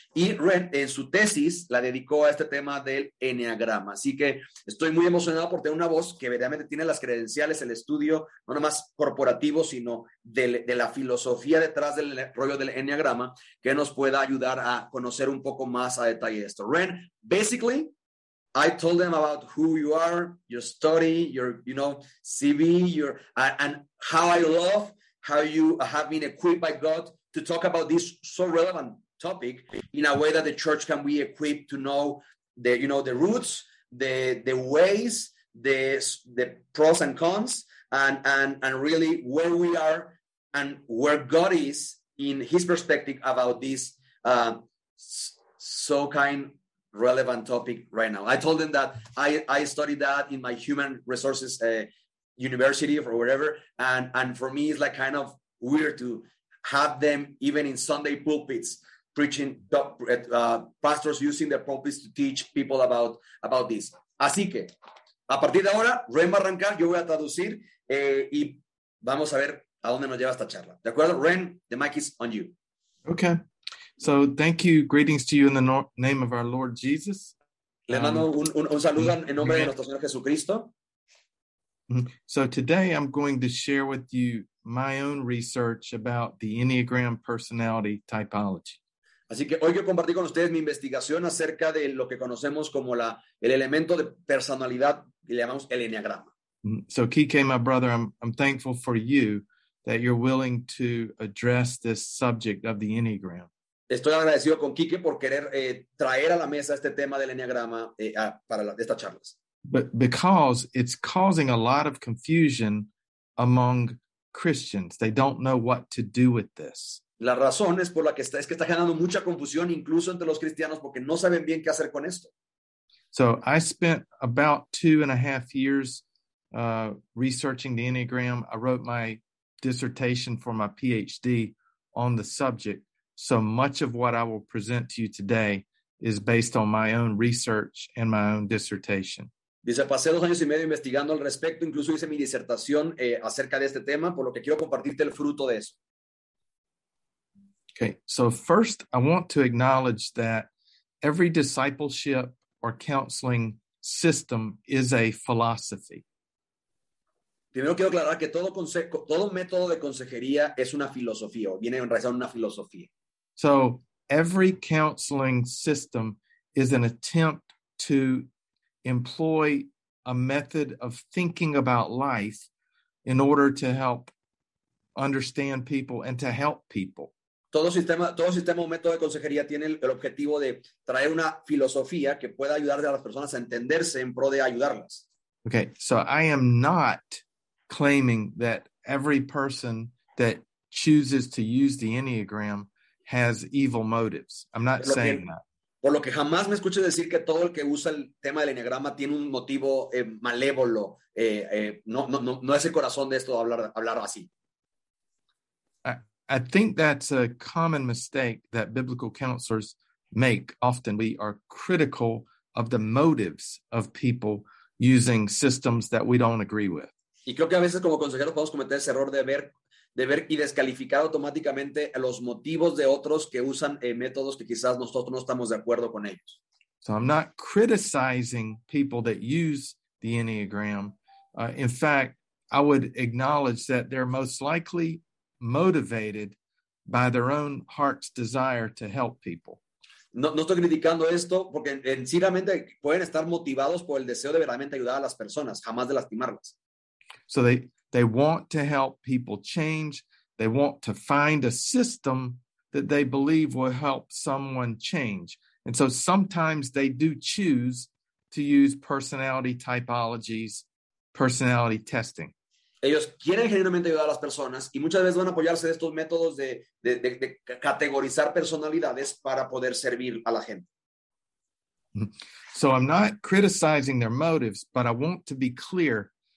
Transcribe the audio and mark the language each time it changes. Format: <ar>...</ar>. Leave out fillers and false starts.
<es>Y Ren, en su tesis, la dedicó a este tema del eneagrama. Así que estoy muy emocionado por tener una voz que verdaderamente tiene las credenciales, el estudio, no nomás corporativo, sino de la filosofía detrás del rollo del eneagrama, que nos pueda ayudar a conocer un poco más a detalle esto.</es> <en>Ren, basically, I told them about who you are, your study, CV, and how I love how you have been equipped by God to talk about this so relevant topic in a way that the church can be equipped to know the roots, the ways, the pros and cons, and really where we are and where God is in his perspective about this so kind relevant topic right now. I told them that I studied that in my human resources university or whatever, and for me it's like kind of weird to have them even in Sunday pulpits preaching, pastors using their pulpits to teach people about this.</en> <es>Así que a partir de ahora, Ren va a arrancar, yo voy a traducir y vamos a ver a dónde nos lleva esta charla. ¿De acuerdo?</es> <en>Ren, the mic is on you. Okay. So thank you. Greetings to you in the no name of our Lord Jesus.</en> <es>Le mando un saludo en nombre de nuestro Señor Jesucristo.</es> <en>So today I'm going to share with you my own research about the Enneagram personality typology.</en> <es>Así que hoy quiero compartir con ustedes mi investigación acerca de lo que conocemos como el elemento de personalidad y le llamamos el eneagrama.</es> <en>So Kike, my brother, I'm thankful for you that you're willing to address this subject of the Enneagram.</en> <es>Estoy agradecido con Quique por querer traer a la mesa este tema del eneagrama para estas charlas.</es> <en>But because it's causing a lot of confusion among Christians. They don't know what to do with this.</en> <es>La razón es por la que está generando mucha confusión incluso entre los cristianos porque no saben bien qué hacer con esto.</es> <en>So I spent about 2.5 years researching the Enneagram. I wrote my dissertation for my PhD on the subject. So much of what I will present to you today is based on my own research and my own dissertation.</en> <es>Dice, pasé 2 años y medio investigando al respecto, incluso hice mi disertación acerca de este tema, por lo que quiero compartirte el fruto de eso.</es> <en>Okay, so first I want to acknowledge that every discipleship or counseling system is a philosophy.</en> <es>Primero quiero aclarar que todo método de consejería es una filosofía, o viene enraizado en una filosofía.</es> <en>So every counseling system is an attempt to employ a method of thinking about life in order to help understand people and to help people.</en> <es>Todo sistema o método de consejería tiene el objetivo de traer una filosofía que pueda ayudar a las personas a entenderse en pro de ayudarlas.</es> <en>Okay, so I am not claiming that every person that chooses to use the Enneagram has evil motives. I'm not saying that.</en> <es>Por lo que jamás me escuches decir que todo el que usa el tema del Enneagrama tiene un motivo malévolo. No es el corazón de esto hablar así.</es> <en>I think that's a common mistake that biblical counselors make. Often we are critical of the motives of people using systems that we don't agree with.</en> <es>Y creo que a veces como consejeros podemos cometer ese error de ver y descalificar automáticamente los motivos de otros que usan métodos que quizás nosotros no estamos de acuerdo con ellos.</es> <en>So I'm not criticizing people that use the Enneagram. In fact, I would acknowledge that they're most likely motivated by their own heart's desire to help people.</en> <es>No estoy criticando esto porque en sí realmente pueden estar motivados por el deseo de verdaderamente ayudar a las personas, jamás de lastimarlas.</es> <en>So they want to help people change. They want to find a system that they believe will help someone change. And so sometimes they do choose to use personality typologies, personality testing.</en> <es>Ellos quieren genuinamente ayudar a las personas y muchas veces van a apoyarse de estos métodos de categorizar personalidades para poder servir a la gente.</es> <en>So I'm not criticizing their motives, but I want to be clear.</en>